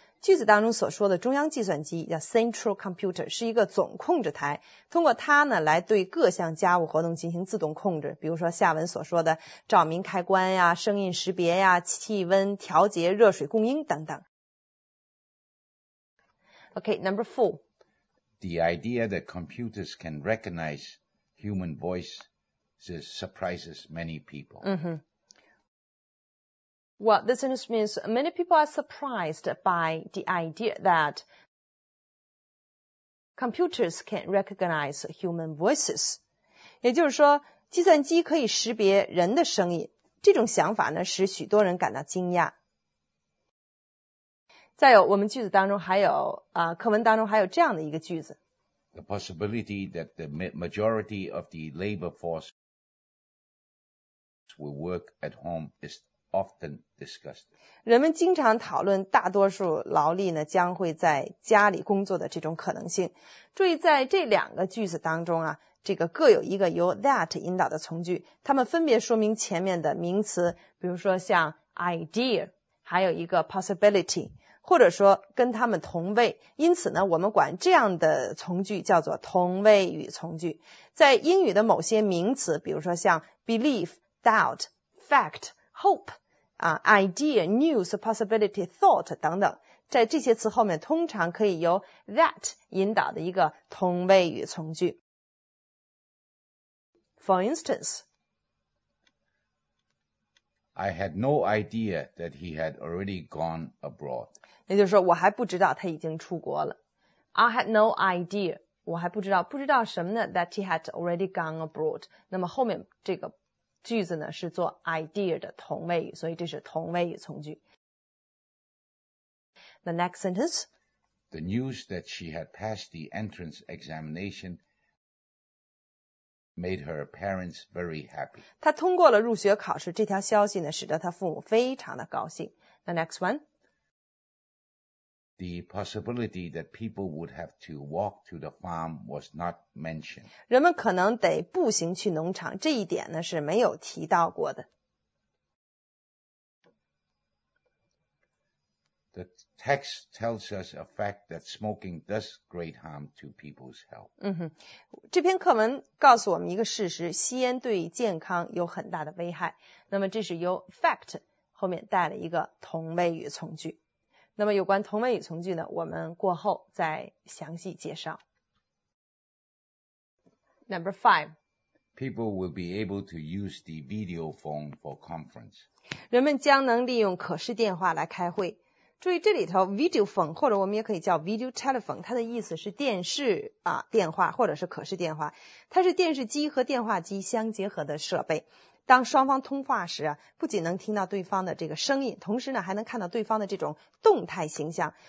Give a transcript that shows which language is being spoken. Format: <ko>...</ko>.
<zh>句子当中所说的中央计算机叫 central computer， 是一个总控制台，通过它呢来对各项家务活动进行自动控制，比如说下文所说的照明开关呀、声音识别呀、气温调节、热水供应等等。</zh> <en>OK， number four， The idea that computers can recognize human voice surprises many people. 嗯哼。 Well, this means many people are surprised by the idea that computers can recognize human voices.</en> <zh>也就是说，计算机可以识别人的声音。这种想法呢，使许多人感到惊讶。再有，我们句子当中还有啊，课文当中还有这样的一个句子。</zh> <en>The possibility that the majority of the labor force will work at home is often discussed.</en> <zh>人们经常讨论大多数劳力呢将会在家里工作的这种可能性。注意在这两个句子当中啊，这个各有一个由 that 引导的从句，它们分别说明前面的名词，比如说像 idea， 还有一个 possibility， 或者说跟它们同位。因此呢，我们管这样的从句叫做同位语从句。在英语的某些名词，比如说像 belief、doubt、fact、hope、idea、news、possibility、thought 等等，在这些词后面通常可以由 that 引导的一个同位语从句。</zh> <en>For instance, I had no idea that he had already gone abroad.</en> <zh>也就是说，我还不知道他已经出国了。</zh> <en>I had no idea，</en> <zh>我还不知道，不知道什么呢 ？</zh> <en>That he had already gone abroad。</en> <zh>那么后面这个句子呢是做 idea 的同位语，所以这是同位语从句。</zh> <en>The next sentence. The news that she had passed the entrance examination made her parents very happy.</en> <zh>她通过了入学考试，这条消息呢使得她父母非常的高兴。</zh> <en>The next one. The possibility that people would have to walk to the farm was not mentioned.</en> <zh>人们可能得步行去农场，这一点呢是没有提到过的。</zh> <en>The text tells us a fact that smoking does great harm to people's health.</en> <zh>嗯哼，这篇课文告诉我们一个事实，吸烟对健康有很大的危害。那么这是由 fact 后面带了一个同位语从句。那么有关同位语从句呢，我们过后再详细介绍。</zh> <en>Number five. People will be able to use the video phone for conference.</en> <zh>人们将能利用可视电话来开会。注意这里头 video phone， 或者我们也可以叫 video telephone， 它的意思是电视啊电话或者是可视电话。它是电视机和电话机相结合的设备。当双方通话时啊，不仅能听到对方的这个声音，同时呢还能看到对方的这种动态形象。</zh>